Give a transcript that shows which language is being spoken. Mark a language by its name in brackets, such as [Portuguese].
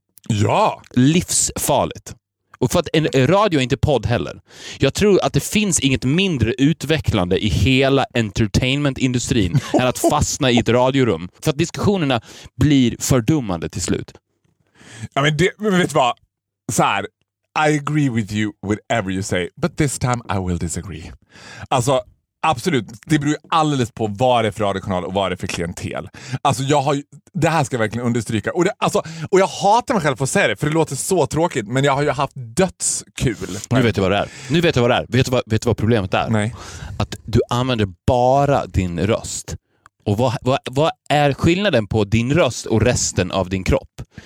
[Swedish] Ja! Livsfarligt. Och för att en radio är inte podd heller. Jag tror att det finns inget mindre utvecklande i hela entertainmentindustrin än att fastna i ett radiorum. För att diskussionerna blir fördummande till slut. Ja, men, det, men vet du vad? Så här, [English] I agree with you whatever you say, but this time I will disagree. [Swedish] Alltså... absolut, det beror ju alldeles på vad det är för radiokanal och vad det är för klientel. Alltså jag har ju, det här ska jag verkligen understryka. Och, det, alltså, och jag hatar mig själv för att säga det, för det låter så tråkigt. Men jag har ju haft dödskul. Nu vet du vad det är. Nu vet du vad det är. Vet du vad problemet är? Nej. Att du använder bara din röst. Och vad är skillnaden på din röst och resten av din kropp?